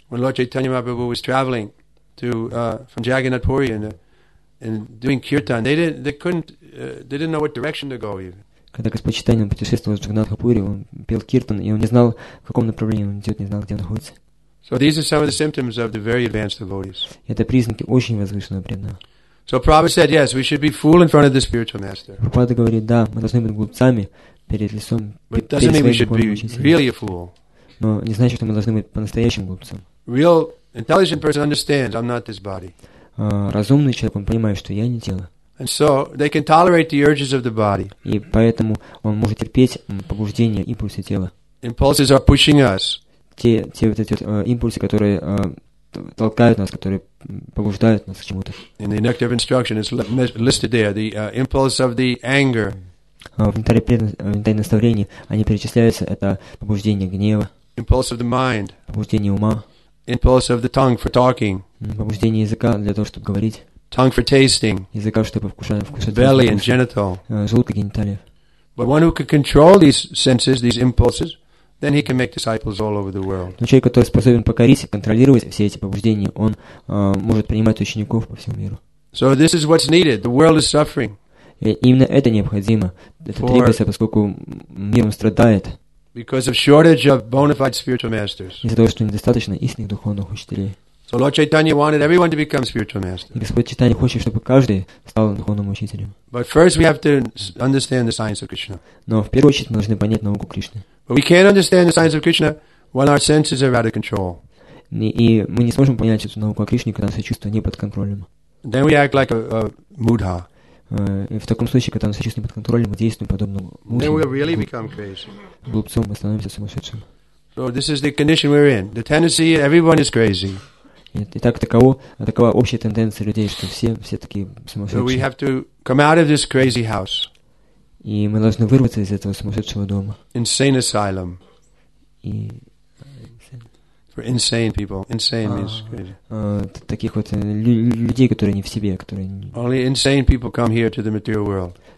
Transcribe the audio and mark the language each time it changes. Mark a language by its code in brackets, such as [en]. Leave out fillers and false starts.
[en] When Lord Chaitanya Mahaprabhu was traveling to from Jagannath Puri and doing kirtan, they didn't know what direction to go even. [ru] Когда Господь Чайтанья путешествовал в Джагнатхапури, он пел киртан, и он не знал, в каком направлении он идет, не знал, где он находится. [en] So these are some of the symptoms of the very advanced devotees. [ru] Это признаки очень возвышенного преданного. [en] So Prabhupada said, yes, we should be fool in front of the spiritual master. [ru] Прабхупада говорит, да, мы должны быть глупцами перед лицом. [en] But doesn't mean we should be really a fool. [ru] Но не значит, что мы должны быть по-настоящему глупцом. [en] Real intelligent person understands, I'm not this body. [ru] Разумный человек, он понимает, что я не тело. [en] And so they can tolerate the urges of the body. [ru] И поэтому он может терпеть побуждения и импульсы тела. [en] Impulses are pushing us. [ru] Те вот эти импульсы, которые толкают нас, которые побуждают нас к чему-то. [en] In the nectar of instruction, it's listed there, the impulse of the anger. [ru] В нектаре наставления они перечисляются, это побуждение гнева. [en] Impulse of the mind. [ru] Побуждение ума. [en] Impulse of the tongue for talking. [ru] Побуждение языка для того, чтобы говорить. [en] Tongue for tasting. [ru] Языка, чтобы вкушать. [en] Belly and genital. [ru] Желудка, гениталия. [en] But one who could control these senses, these impulses, then he can make disciples all over the world. [ru] Но человек, который способен покорить и контролировать все эти побуждения, он может принимать учеников по всему миру. [en] So this is what's needed. The world is suffering. [ru] И именно это необходимо. Это требуется, поскольку мир страдает. [en] Because of shortage of bona fide spiritual masters. [ru] Из-за того, что недостаточно истинных духовных учителей. [en] So Lord Chaitanya wanted everyone to become spiritual masters. [ru] И Господь Чайтанья хочет, чтобы каждый стал духовным учителем. [en] But first we have to understand the science of Krishna. [ru] Но в первую очередь мы должны понять науку Кришны. [en] But we can't understand the science of Krishna when our senses are out of control. [ru] И мы не сможем понять эту науку о Кришне, когда наши чувства не под контролем. [en] Then we act like a mudha. [ru] И в таком случае, когда наши чувства не под контролем, мы действуем подобно мудхе. [en] Then we really become crazy. [ru] Глупцом мы становимся сумасшедшим. [en] So this is the condition we're in. The tendency everyone is crazy. [ru] Итак, такова общая тенденция людей, что все такие сумасшедшие. [en] So we have to come out of this crazy house. [ru] И мы должны вырваться из этого сумасшедшего дома. [en] Insane asylum. [ru] И... [en] For insane people. Insane means crazy. [ru] Таких вот людей, которые не в себе, которые не... [en] Only insane people come here to the material world.